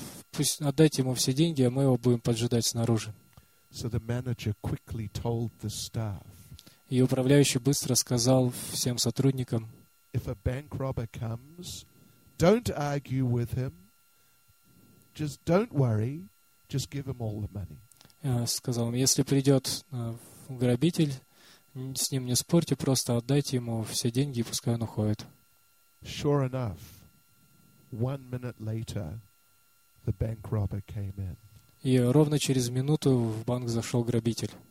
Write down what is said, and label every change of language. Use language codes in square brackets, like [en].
[ru] Пусть отдайте ему все деньги, а мы его будем поджидать снаружи. [en] So the manager quickly told the staff. [ru] И управляющий быстро сказал всем сотрудникам: [en] If a bank robber comes, don't argue with him. Just don't worry. Just give him all the money. [ru] Сказал: Если придет грабитель, с ним не спорьте, просто отдайте ему все деньги, и пускай он уходит. [en] Sure enough, 1 minute later, the bank robber came in. [ru] И ровно через минуту в банк зашел грабитель.